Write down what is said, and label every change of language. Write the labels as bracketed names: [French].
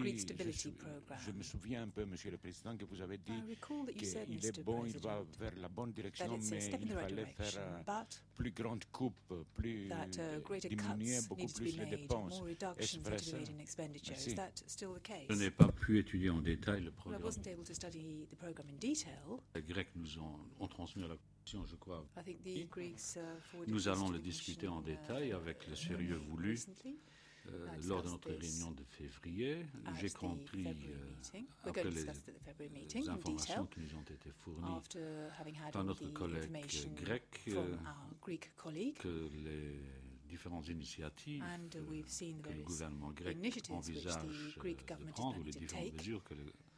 [French] je me souviens un peu, Monsieur le Président, que vous avez dit qu'il est bon, il va vers la bonne direction, mais il fallait faire plus grande coupe, plus diminuer beaucoup plus les dépenses. Est-ce vrai ça? Merci. Je n'ai pas pu étudier en détail le programme. [English] Well, I wasn't able to study the program in detail. [French] Les Grecs nous ont transmis à la Commission, je crois. [English] I think the Greeks, [French] nous allons le discuter en détail avec le sérieux voulu. Lors de notre réunion de février, j'ai compris, après les informations qui nous ont été fournies par notre collègue grec, que les différentes initiatives que le gouvernement grec envisage de prendre, ou les différentes mesures que le